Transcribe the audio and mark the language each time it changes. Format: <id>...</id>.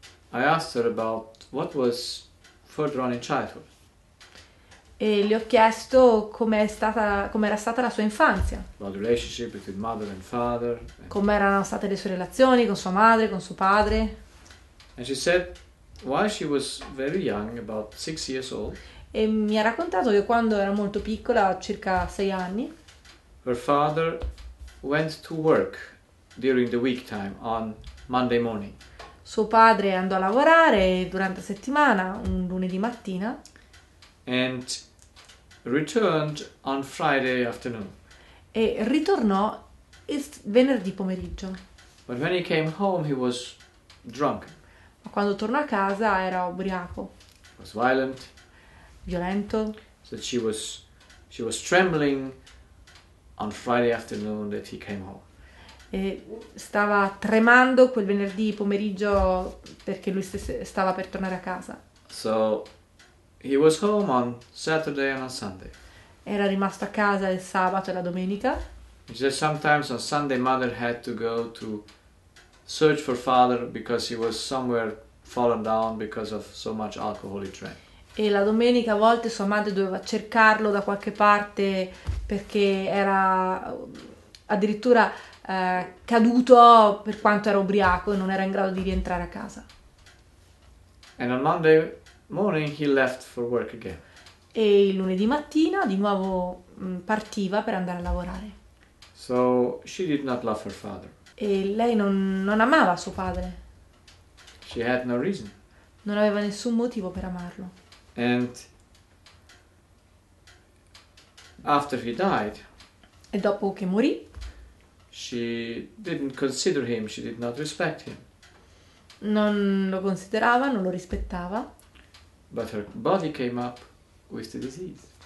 <en>I asked her about what was further on in childhood.</en> <it>E le ho chiesto com'era stata la sua infanzia,</it> <en>About the relationship between mother and father.</en> <it>com'erano state le sue relazioni con sua madre, con suo padre.</it> <en>And she said While she was very young, about 6 years old,</en> <it>E mi ha raccontato che quando era molto piccola, circa 6 anni,</it> <en>her father went to work during the week time on Monday morning.</en> <it>suo padre andò a lavorare durante la settimana, un lunedì mattina,</it> <en>And returned on Friday afternoon.</en> <it>e ritornò il venerdì pomeriggio.</it> <en>But when he came home, he was drunk.</en> <it>Quando tornò a casa era ubriaco,</it> <en>Was violent.</en> <it>violento.</it> <en>So she was trembling on Friday afternoon that he came home.</en> <it>E stava tremando quel venerdì pomeriggio perché lui stava per tornare a casa.</it> <en>So he was home on Saturday and on Sunday.</en> <it>Era rimasto a casa il sabato e la domenica.</it> <en>He said sometimes on Sunday mother had to go to search for father because he was somewhere fallen down because of so much alcohol he drank.</en> <it>E la domenica a volte sua madre doveva cercarlo da qualche parte perché era addirittura caduto per quanto era ubriaco e non era in grado di rientrare a casa. E</it> <en>And on Monday morning he left for work again.</en> <it>il lunedì mattina di nuovo partiva per andare a lavorare.</it> <en>So she did not love her father.</en> <it>E lei non amava suo padre.</it> <en>She had no reason.</en> <it>Non aveva nessun motivo per amarlo.</it> <en>And after he died,</en> <it>E dopo che morì,</it> <en>she didn't consider him, she did not respect him.</en> <it>non lo considerava, non lo rispettava,</it> <en>But her body came up with the disease.</en>